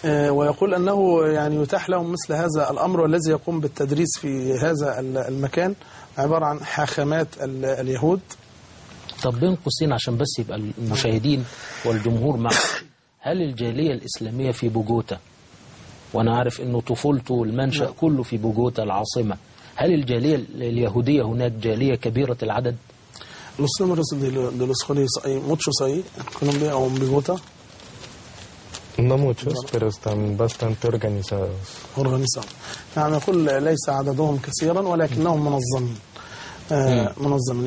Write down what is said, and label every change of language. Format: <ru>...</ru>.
<ar>ويقول أنه يعني يتاح لهم مثل هذا الأمر, والذي يقوم بالتدريس في هذا المكان عبارة عن حاخامات اليهود. طب بين قوسين عشان بس يبقى المشاهدين والجمهور معك, هل الجالية الإسلامية في بوغوتا, وأنا عارف أنه طفولته المنشأ كله في بوغوتا العاصمة, هل الجالية اليهودية هناك جالية كبيرة العدد؟</ar> <es>los números de los jóvenes, ¿hay muchos ahí en Colombia o en Bogotá? No muchos, pero están bastante organizados.</es> <ar>نعم يقول ليس عددهم كثيرا ولكنهم منظمين. منظمين.</ar>